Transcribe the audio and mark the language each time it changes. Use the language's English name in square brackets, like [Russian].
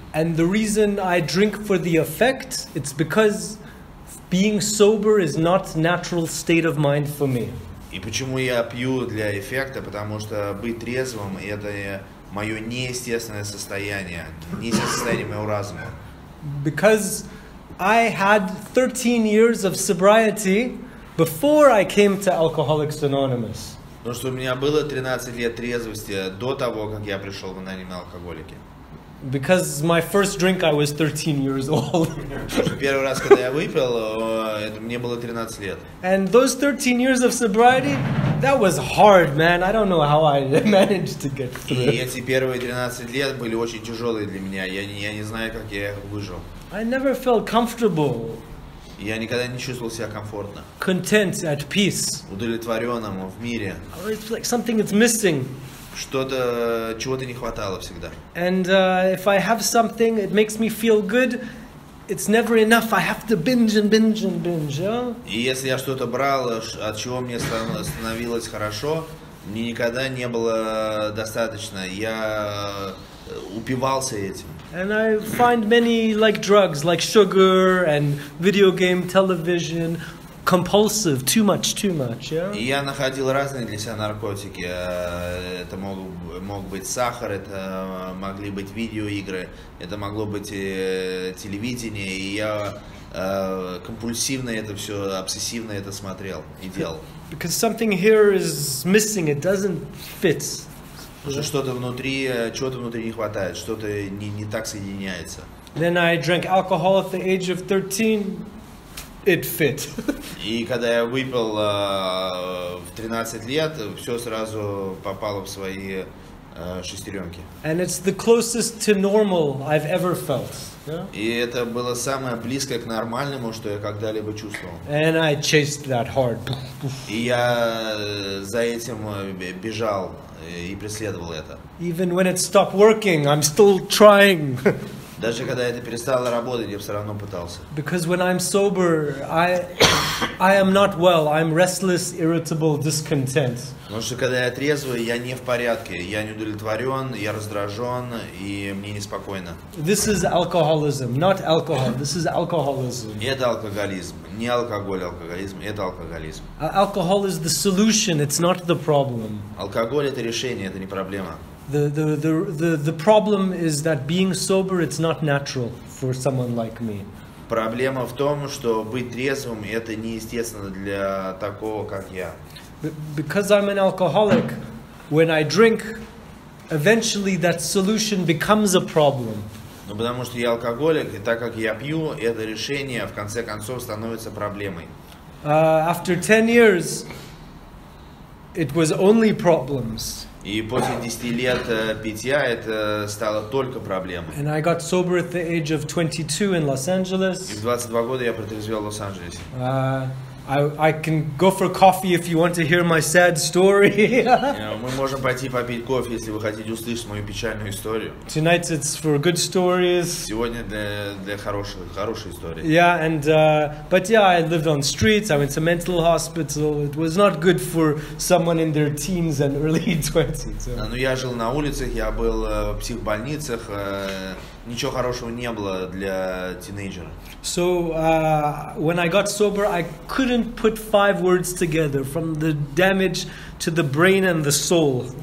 [English] And the reason I drink for the effect, it's because being sober is not natural state of mind for me. [Russian] И почему я пью для эффекта? Потому что быть трезвым – это мое неестественное состояние, не состояние моего разума. [English] Because I had 13 years of sobriety. Before I came to Alcoholics Anonymous. [Russian] Потому что у меня было 13 лет трезвости до того, как я пришел в анонимные алкоголики. [English] Because my first drink I was 13 years old. [Russian] Первый раз, когда я выпил, мне было 13 лет. [English] And those 13 years of sobriety, that was hard, man. I don't know how I managed to get through. [Russian] И эти первые 13 лет были очень тяжелые для меня. Я не знаю, как я выжил. [English] I never felt comfortable. [Russian] Я никогда не чувствовал себя комфортно. [English] Content, at peace. [Russian] Удовлетворенным в мире. [English] It's like something is missing. [Russian] Что-то, чего-то не хватало всегда. [English] And if I have something, it makes me feel good. It's never enough. I have to binge and binge and binge. Yeah? [Russian] И если я что-то брал, от чего мне становилось хорошо, мне никогда не было достаточно. Я упивался этим. [English] And I find many like drugs, like sugar and video game, television, compulsive, too much, yeah? [Russian] И я находил разные для себя наркотики. Это мог быть сахар, это могли быть видеоигры, это могло быть телевидение, и я компульсивно это все, обсессивно это смотрел и делал. [English] Because something here is missing, it doesn't fit. [Russian] Потому что что-то внутри, чего-то внутри не хватает, что-то не так соединяется. [English] Then I drank alcohol at the age of 13, it fit. [Russian] И когда я выпил в 13 лет, все сразу попало в свои шестеренки. [English] And it's the closest to normal I've ever felt. [Russian] И это было самое близкое к нормальному, что я когда-либо чувствовал. [English] And I chased that hard. [Russian] И я за этим бежал. И преследовал это. [English] Even when it stopped working, I'm still trying. [Russian] Даже когда это перестало работать, я все равно пытался. [English] Because when I'm sober, I am not well. I'm restless, irritable, discontent. [Russian] Потому что когда я трезвый, я не в порядке. Я не удовлетворен, я раздражен, и мне неспокойно. [English] This is alcoholism, not alcohol. This is alcoholism. [Russian] Это алкоголизм. Не алкоголь, алкоголизм. Это алкоголизм. [English] Alcohol is the solution, it's not the problem. [Russian] Алкоголь — это решение, это не проблема. [English] The problem is that being sober, it's not natural for someone like me. [Russian] Проблема в том, что быть трезвым — это неестественно для такого, как я. [English] Because I'm an alcoholic, when I drink, eventually that solution becomes a problem. [Russian] Ну потому что я алкоголик, и так как я пью, это решение в конце концов становится проблемой. [English] After 10 years, it was only problems. [Russian] И после 10 лет питья это стало только проблемой. [English] And I got sober at the age of 22 in Los Angeles. [Russian] И в 22 года я протрезвел в Лос-Анджелесе. [English] I can go for coffee if you want to hear my sad story. [Russian] Мы можем пойти попить кофе, если вы хотите услышать мою печальную историю. [English] Tonight it's for good stories. [Russian] Сегодня для хорошей истории. [English] Yeah, and but yeah, I lived on streets. I went to mental hospital. It was not good for someone in their teens and early 20s. [Russian] Но я жил на улицах. Я был в психбольницах. Ничего хорошего не было для тинейджера. [English] So, when I got sober, I couldn't put 5 words together, from the damage to the brain and the soul.